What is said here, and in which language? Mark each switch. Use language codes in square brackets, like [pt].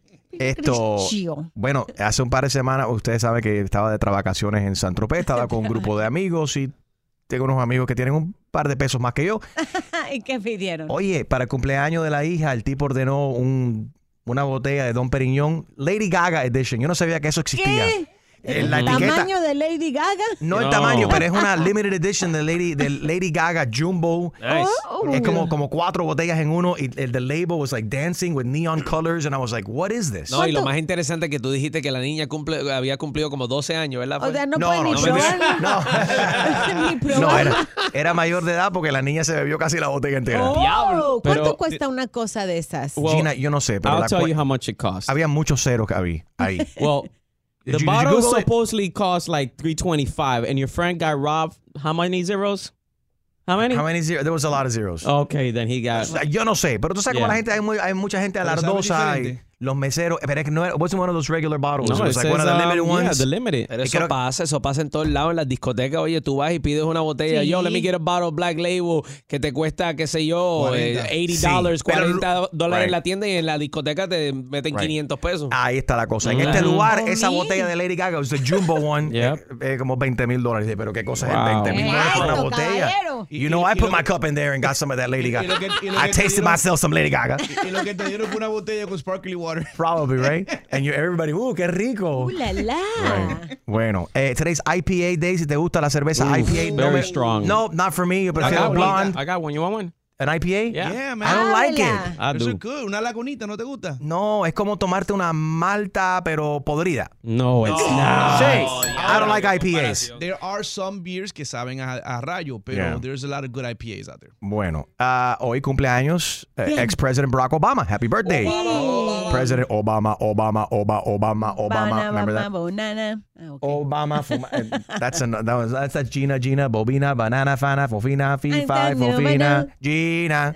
[es] Esto, bueno, hace un par de semanas, ustedes saben que estaba de vacaciones en Saint-Tropez, estaba con un grupo de amigos y tengo unos amigos que tienen un par de pesos más que yo. ¿Y qué pidieron? Oye, para el cumpleaños de la hija, el tipo ordenó una botella de Dom Perignon, Lady Gaga Edition. Yo no sabía que eso existía. ¿Qué? ¿El tamaño de Lady Gaga? No, no el tamaño, pero es una [en] limited edition [es] de Lady Gaga Jumbo. [en] Nice. [es] Es como cuatro botellas en uno [en] y the label was like dancing with neon colors and I was like, what is this? [es] No, y lo más interesante es que tú dijiste que la niña había cumplido como 12 años, ¿verdad? O sea, no puede ni probar. Era mayor de edad porque la niña se bebió casi la botella entera. ¡Oh! ¿Cuánto cuesta una cosa de esas? Well, Gina, yo no sé. Pero [en] I'll tell you how much it costs. [es] Había muchos ceros que había ahí. [en] Well, the bottle supposedly cost like $325 and your friend got robbed. How many zeros? How many zeros? There was a lot of zeros. Okay, then he got... [es] Yo no sé, pero tú sabes cómo la gente, hay mucha gente alardosa y los meseros, pero es que no era, [en] wasn't one of those regular bottles. No, it was like one of the limited ones. Yeah, the limited. [es] Pero eso pasa en todos lados, en las discotecas. Oye, tú vas y pides una botella. Sí. Yo, [en] let me get a bottle of Black Label [es] que te cuesta, qué sé yo, $80, sí. $40 right. En la tienda y en la discoteca te meten right. $500. Ahí está la cosa. En este lugar, esa botella de Lady Gaga, es el Jumbo One, es como $20,000. Pero qué cosa es $20,000 por una botella. [en] You know, I put my cup in there and got some of that Lady Gaga. I tasted myself some Lady Gaga. [es] Y lo que te dieron fue una botella con [en] sparkly water. Probably, right? And everybody, ooh, [es] qué rico. Ooh, la, la. Right. Bueno, [en] today's IPA day. [es] Si te gusta la cerveza, ooh, IPA. [en] Very strong. No, not for me. But I got blonde. I got one. You want one? An IPA? Yeah, man. I don't like it. This is good. [es] Una lagunita, ¿no te gusta? No, es como tomarte una malta, pero podrida. [en] No, it's not. Say, yeah, I don't like IPAs. There are some beers [es] que saben a rayo, pero [en] there's a lot of good IPAs out there. [es] Bueno, hoy cumpleaños, ex-president Barack Obama. [en] Happy birthday. Obama. President Obama. Banana, banana. Okay. Obama fuma. That's another, that was, that's a Gina, Gina, Bobina, Banana, Fana, Fofina, Fifa, Fofina, Gina.